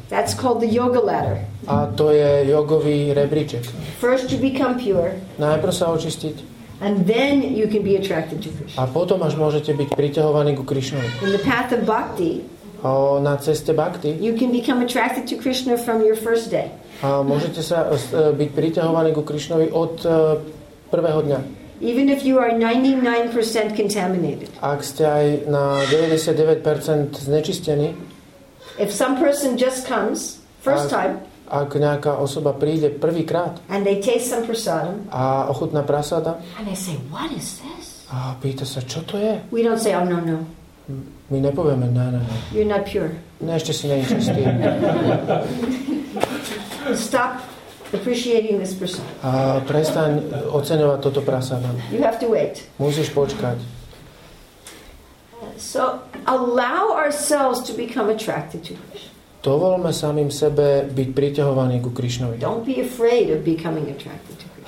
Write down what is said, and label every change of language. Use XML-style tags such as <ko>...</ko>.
<en>That's called the yoga ladder.</en> <sk>A to je jogový rebríček.</sk> <en>First you become pure.</en> <sk>Najprv sa očistiť.</sk> <en>And then you can be attracted to Krishna.</en> <sk>A potom až môžete byť priťahovaní ku Krišnovi.</sk> <en>In the path of bhakti.</en> <sk>Na ceste bhakti.</sk> <en>You can become attracted to Krishna from your first day.</en> <sk>A môžete sa byť priťahovaní ku Krišnovi od prvého dňa.</sk> <en>Even if you are 99% contaminated.</en> <sk>Ak ste aj na 99% znečistení.</sk> <en>If some person just comes first time.</en> <sk>Ak nejaká osoba príde prvýkrát.</sk> <en>And they taste some prasadam.</en> <sk>A ochutná prasada.</sk> <en>And they say, what is this?</en> <sk>A pýta sa, čo to je?</sk> <en>We don't say, oh no, no.</en> <sk>My nepovieme, ne, ne, ne.</sk> <en>You're not pure.</en> <sk>Ne, ešte si není čistý.</sk> <en>Stop appreciating this person.</en> <sk>A prestaň oceňovať toto prasa.</sk> <en>You have to wait.</en> <sk>Musíš počkať.</sk> <en>So allow ourselves to become attracted to Krishna.</en> <sk>Dovolme samým sebe byť priťahovaní ku Krišnovi.</sk> <en>Don't be afraid of becoming attracted to Krishna.</en>